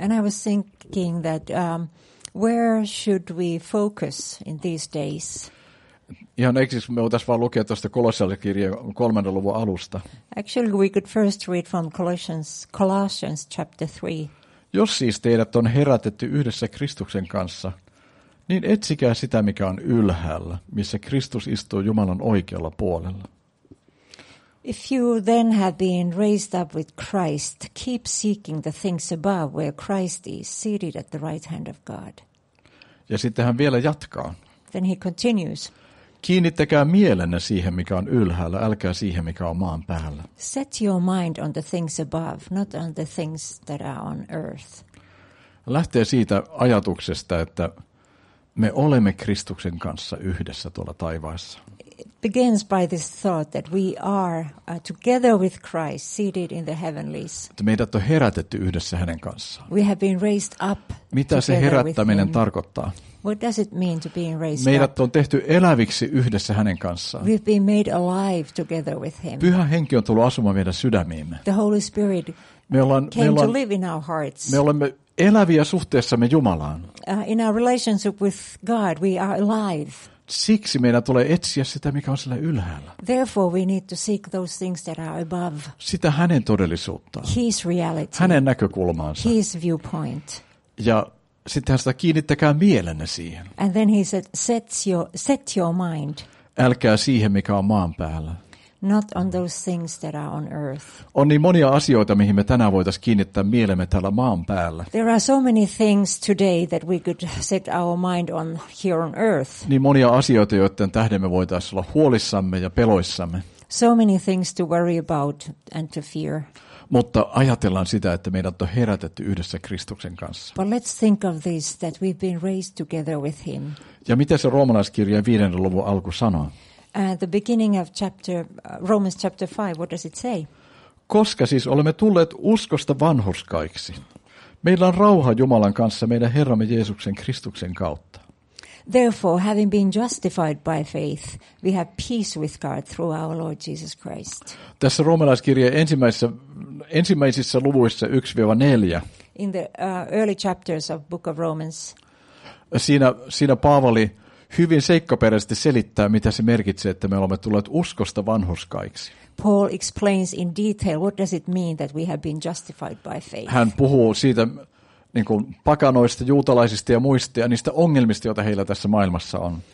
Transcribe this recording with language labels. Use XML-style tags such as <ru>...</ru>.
<en>And I was thinking that where should we focus in these days?</en> <fi>Ihan ensiksi me voitaisiin vaan lukea tuosta Kolossalaiskirjeen 3. luvun alusta.</fi> <en>Actually we could first read from Colossians chapter 3.</en> <fi>Jos siis teidät on herätetty yhdessä Kristuksen kanssa, niin etsikää sitä, mikä on ylhäällä, missä Kristus istuu Jumalan oikealla puolella.</fi> <en>If you then have been raised up with Christ, keep seeking the things above where Christ is seated at the right hand of God.</en> <fi>Ja sitten hän vielä jatkaa.</fi> <en>Then he continues.</en> <fi>Kiinnittäkää mielenne siihen, mikä on ylhäällä, älkää siihen, mikä on maan päällä.</fi> <en>Set your mind on the things above, not on the things that are on earth.</en> <fi>Lähtee siitä ajatuksesta, että me olemme Kristuksen kanssa yhdessä tuolla taivaassa.</fi> <en>It begins by this thought that we are together with Christ seated in the heavenlies.</en> <fi>Meidät on herätetty yhdessä hänen kanssaan.</fi> <en>We have been raised up.</en> <fi>Mitä se herättäminen tarkoittaa?</fi> <en>What does it mean to be raised up?</en> <fi>Meidät on tehty eläviksi yhdessä hänen kanssaan.</fi> <en>We've been made alive together with him.</en> <fi>Pyhä Henki on tullut asumaan meidän sydämiimme.</fi> <en>The Holy Spirit came to live in our hearts.</en> <fi>Me olemme eläviä suhteessamme Jumalaan.</fi> <en>In our relationship with God, we are alive.</en> <fi>Siksi meidän tulee etsiä sitä, mikä on siellä ylhäällä.</fi> <en>Therefore we need to seek those things that are above.</en> <fi>Sitä hänen todellisuuttaan.</fi> <en>His reality.</en> <fi>Hänen näkökulmaansa.</fi> <en>His viewpoint.</en> <fi>Ja sitten hän sitä kiinnittäkää mielenne siihen.</fi> <en>And then he said, set your mind.</en> <fi>Älkää siihen, mikä on maan päällä.</fi> <en>Not on those things that are on earth.</en> <fi>On niin monia asioita, mihin me tänään voitaisiin kiinnittää mielemme täällä maan päällä.</fi> <en>There are so many things today that we could set our mind on here on earth.</en> <fi>Niin monia asioita, joiden tähden me voitaisiin olla huolissamme ja peloissamme.</fi> <en>So many things to worry about and to fear.</en> <fi>Mutta ajatellaan sitä, että meidät on herätetty yhdessä Kristuksen kanssa.</fi> <en>But let's think of this, that we've been raised together with him.</en> <fi>Ja mitä se roomalaiskirjan 5. luvun alku sanoo?</fi> <en>The beginning of Romans chapter 5, what does it say?</en> <fi>Koska siis olemme tulleet uskosta vanhurskaiksi. Meillä on rauha Jumalan kanssa meidän Herramme Jeesuksen Kristuksen kautta.</fi> <en>Therefore, having been justified by faith, we have peace with God through our Lord Jesus Christ.</en> <fi>Tässä roomalaiskirjan ensimmäisissä luvuissa 1-4.</fi> <en>In the early chapters of Book of Romans.</en> <fi>Siinä Paavali hyvin seikkaperäisesti selittää, mitä se merkitsee, että me olemme tulleet uskosta vanhurskaiksi.</fi> <en>Paul explains in detail what does it mean that we have been justified by faith.</en> <fi>Hän puhuu siitä niin kuin pakanoista, juutalaisista ja muista ja niistä ongelmista, joita heillä tässä maailmassa on.</fi>